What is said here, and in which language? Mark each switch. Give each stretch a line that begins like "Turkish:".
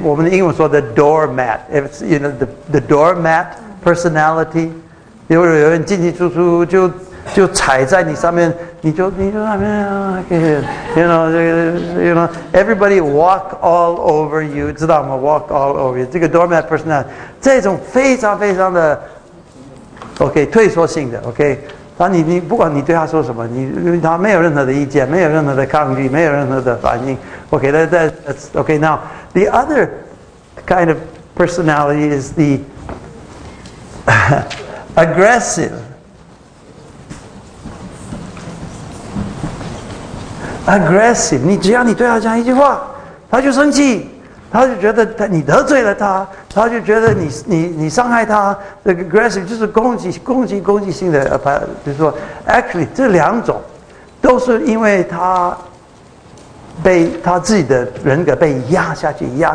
Chinese: 我们的英文说的 doormat，
English: if it's, you know the doormat personality，
Chinese: 有人进进出出就踩在你上面，你就那边 ，
English: you know, everybody walk all over you，
Chinese: 知道吗 ？
English: Walk all over you，
Chinese: 这个 doormat personality， 这种非常非常的 ，OK， 退缩性的 ，OK， 那你不管你对他说什么，你他没有任何的意见，没有任何的抗拒，没有任何的反应 ，OK，
English: that's OK。 Now the other kind of personality is the aggressive。
Chinese: aggressive， 你只要你对他讲一句话，他就生气，他就觉得你得罪了他，他就觉得你伤害他。这个 aggressive 就是攻击性的，就是说 ，actually 这两种都是因为他自己的人格被压下去。